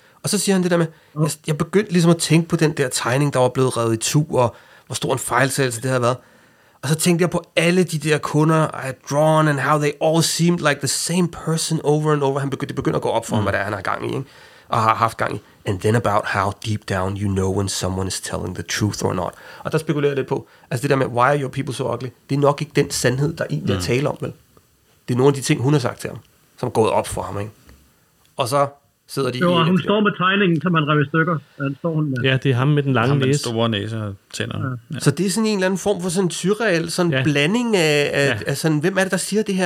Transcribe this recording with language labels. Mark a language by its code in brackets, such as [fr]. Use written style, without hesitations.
[da] Og så siger han det der med, jeg begyndte ligesom at tænke på den der tegning, der var blevet revet i to, og hvor stor en fejltagelse det havde været. Og så tænkte jeg på alle de der kunder, [en] I had drawn, and how they all seemed like the same person over and over. [da] Det begynder at gå op for ham, hvad det er, han har gang i, ikke? Og har haft gang i. [en] And then about how deep down you know when someone is telling the truth or not. [da] Og der spekulerer jeg lidt på, altså det der med, [en] why are your people so ugly? [da] Det er nok ikke den sandhed, der egentlig er tale om, vel? Det er nogle af de ting, hun har sagt til ham, som er gået op for ham, ikke? Og så sidder de... Jo, hun står med tegningen, som han rev i stykker. Står hun med. Ja, det er ham med den lange næse. Ham med den store næse og tænder. Ja. Ja. Så det er sådan en eller anden form for sådan en surreal sådan blanding af sådan, hvem er det, der siger det her?